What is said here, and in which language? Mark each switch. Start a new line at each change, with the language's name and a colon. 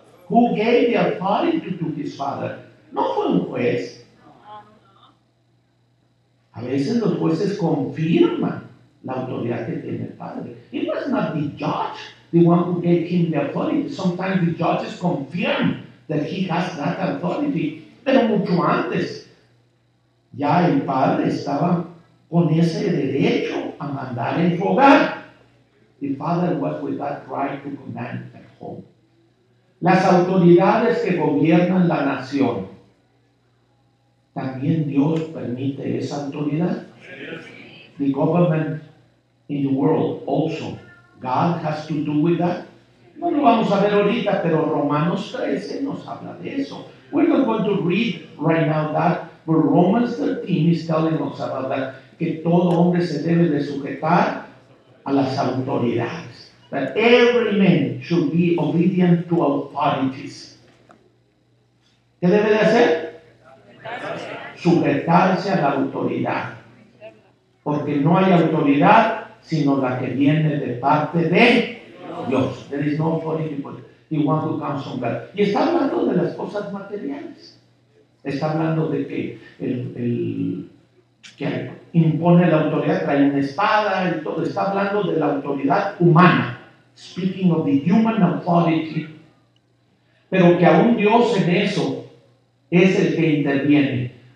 English: Who gave the authority to his father?
Spanish: No fue un juez. A veces los jueces confirman la autoridad que tiene el padre.
English: It was not the judge, the one who gave him the authority. Sometimes the judges confirm that he has that authority.
Spanish: Pero mucho antes, ya el padre estaba con ese derecho a mandar en su hogar.
English: The father was with that right to command at home.
Spanish: Las autoridades que gobiernan la nación, también Dios permite esa autoridad.
English: The government in the world also. God has to do with that.
Spanish: No lo vamos a ver ahorita, pero Romanos 13 nos habla de eso.
English: We're not going to read right now that, but Romans 13 is telling us about that,
Spanish: que todo hombre se debe de sujetar a las autoridades.
English: That every man should be obedient to authorities.
Spanish: ¿Qué debe de hacer? Sujetarse a la autoridad. Porque no hay autoridad sino la que viene de parte de Dios.
English: There is no authority but the one who comes from God.
Spanish: Y está hablando de las cosas materiales. Está hablando de que el que impone la autoridad trae una espada y todo. Está hablando de la autoridad humana.
English: Speaking of the human authority.
Spanish: Pero que aún Dios en eso es el que interviene.